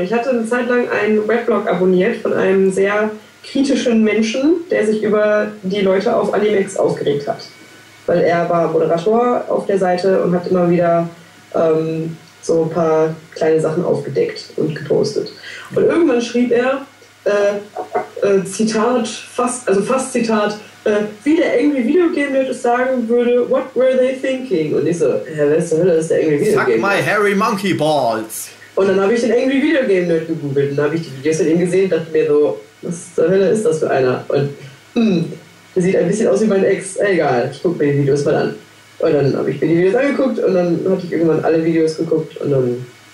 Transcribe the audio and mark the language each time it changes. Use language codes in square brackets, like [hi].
[de] Ich hatte eine Zeit lang einen Weblog abonniert von einem sehr kritischen Menschen, der sich über die Leute auf Animax aufgeregt hat. Weil er war Moderator auf der Seite und hat immer wieder so ein paar kleine Sachen aufgedeckt und gepostet. Und irgendwann schrieb er, Zitat, fast Zitat, wie der Angry Video Game Nerd sagen würde, [en] what were they thinking? [de] Und ich so, ja, wer zur Hölle ist der Angry Video [en] Fuck Game my Nerd? Hairy Monkey Balls! [de] Und dann habe ich den Angry Video Game Nerd gegoogelt und dann habe ich die Videos von ihm gesehen und dachte mir so, was zur Hölle ist das für einer? Und, der sieht ein bisschen aus wie mein Ex, egal, ich guck mir die Videos mal an. Und dann habe ich mir die Videos angeguckt und dann hatte ich irgendwann alle Videos geguckt und dann.